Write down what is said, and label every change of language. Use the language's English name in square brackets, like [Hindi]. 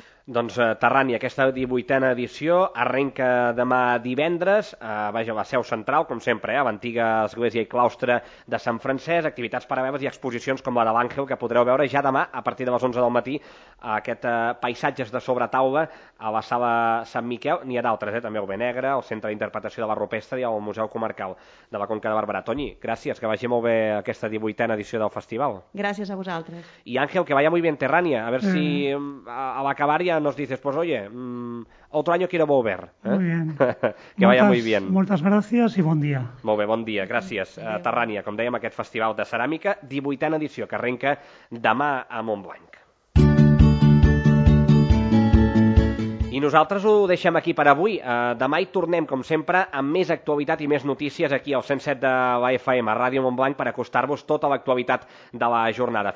[Catalan] Doncs Terrània, aquesta 18a edició arrenca demà divendres a la seu central, com sempre, a l'antiga església i claustre de Sant Francesc, activitats paral·leles i exposicions com la de l'Àngel, que podreu veure ja demà a partir de les 11 del matí aquest paisatges de sobretaula a la sala Sant Miquel. N'hi ha d'altres, també el Benegre, el Centre d'Interpretació de la Rupestre i el Museu Comarcal de la Conca de Barberà. Toni, gràcies, que vagi molt bé aquesta 18a edició del festival. Gràcies a vosaltres. [Spanish] I Àngel, que vaya muy bien Terrània, a ver si a l'acabar nos dices, pues oye, otro año quiero volver. Muy bien. Que vaya muy bien. [Catalan] Moltes gràcies i bon dia. Molt bé, bon dia, gràcies. Terrània, com dèiem, aquest festival de ceràmica, 18a edició, que arrenca demà a Montblanc. I nosaltres ho deixem aquí per avui. Demà hi tornem, com sempre, amb més actualitat i més notícies aquí al 107 de la FM, a Ràdio Montblanc, per acostar-vos tota l'actualitat de la jornada.